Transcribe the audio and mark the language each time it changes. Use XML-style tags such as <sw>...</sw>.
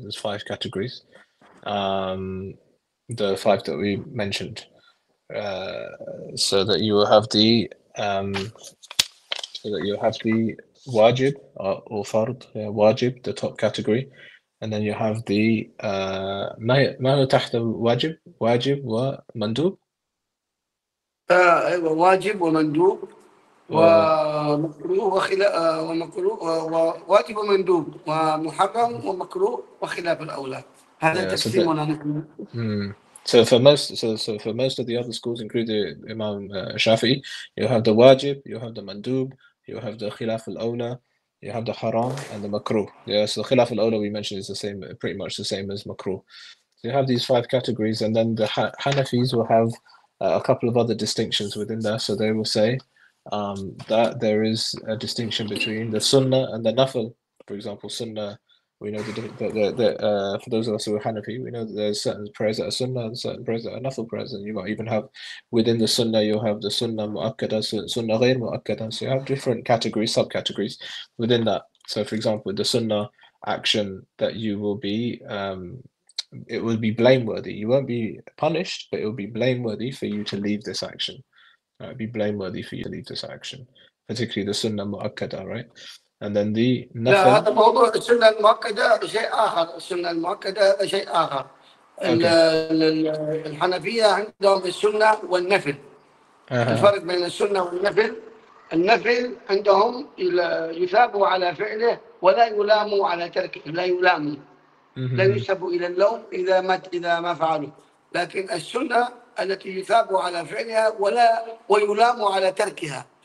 <en>There's five categories, the five that we mentioned, so that you will have the so that you have the wajib or fard, yeah, wajib, the top category, and then you have the</en> <ar>ما هو تحت الواجب واجب ومندوب. أيوة، واجب ومندوب ومكروه وخلاف، ومكروه وواجب ومندوب ومحرم ومكروه وخلاف الأولى. هذا</ar> <en>Yeah,</en> <ar>تقسيمنا نحن.</ar> <en>so for most of the other schools, including Imam Shafi'i, you have the wajib, you have the mandub, you have the khilaf al-awla, you have the haram and the makruh. Yeah, so khilaf al-awla we mentioned is the same, pretty much the same as makruh. So you have these five categories, and then the Hanafis will have a couple of other distinctions within there. So they will say that there is a distinction between the sunnah and the nafil. For example, sunnah, we know for those of us who are Hanafi, we know that there's certain prayers that are sunnah and certain prayers that are nafil prayers. And you might even have within the sunnah, you'll have the sunnah mu'akkada, sunnah ghayr mu'akkada. So you have different categories, subcategories within that. So for example, the sunnah action that you will be, it will be blameworthy. You won't be punished, but it will be blameworthy for you to leave this action. It'll be blameworthy for you to leave this action, particularly the sunnah mu'akkada, right? And then the</en> <ar>لا،</ar> <en>nafil.</en> <ar>هذا موضوع السنة المؤكدة شيء آخر، السنة المؤكدة شيء آخر.</ar> <en>Okay.</en> <ar>الحنفية عندهم السنة والنفل، الفرق بين السنة والنفل، النفل عندهم يثاب على فعله ولا يلام على تركه، لا يلام، لا ينسب إلى اللوم إذا ما فعله، لكن السنة التي يثاب على فعلها ولا ويلام على تركها.</ar>